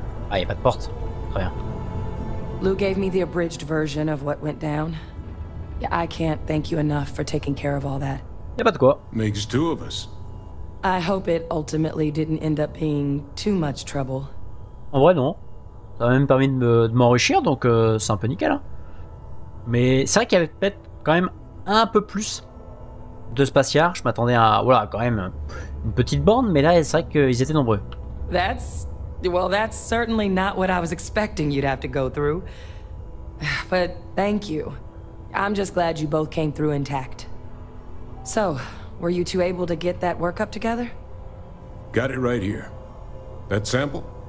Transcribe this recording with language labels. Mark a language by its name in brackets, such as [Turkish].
[French] Ah, y a pas de porte. Très bien. [English] Lou gave me the abridged version of what went down. Yeah, I can't thank you enough for taking care of all that. [French] Y a pas de quoi. [English] Makes two of us. I hope it ultimately didn't end up being too much trouble. [French] En vrai, non. Ça m'a même permis de m'enrichir, donc c'est un peu nickel. Hein. Mais c'est vrai qu'il y avait peut-être quand même un peu plus de spatiards. Je m'attendais à, voilà, quand même une petite bande, mais là, c'est vrai qu'ils étaient nombreux. [English] That's certainly not what I was expecting you'd have to go through. But thank you. I'm just glad you both came through intact. So, were you two able to get that workup together? Got it right here. That sample?